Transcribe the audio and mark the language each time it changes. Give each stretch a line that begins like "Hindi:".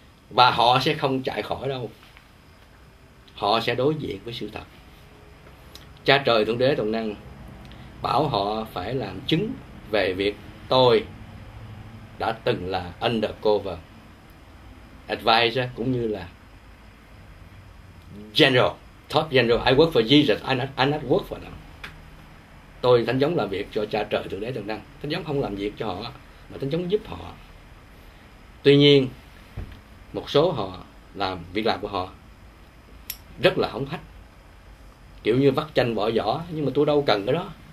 Vietnamese: Và họ sẽ không chạy khỏi đâu, họ sẽ đối diện với sự thật. Cha Trời Thượng Đế Toàn Năng bảo họ phải làm chứng về việc tôi đã từng là
English: undercover advisor
Vietnamese: cũng như là general,
English: top general. I work for Jesus, I not work for them.
Vietnamese: Tôi Thánh Giống làm việc cho Cha Trời Thượng Đế Toàn Năng. Thánh Giống không làm việc cho họ, mà Thánh Giống giúp họ. Tuy nhiên, một số họ làm việc làm của họ rất là hống hách, kiểu như vắt chanh bỏ vỏ, nhưng mà tôi đâu cần cái đó.